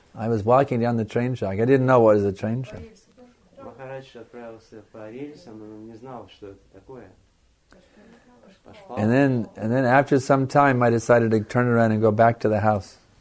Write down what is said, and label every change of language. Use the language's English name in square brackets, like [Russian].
[English] I was walking down the train track. I didn't know what is a train track. [Russian] Махарадж отправился по рельсам, но не знал, что это такое. [English] And then after some time, I decided to turn around and go back to the house.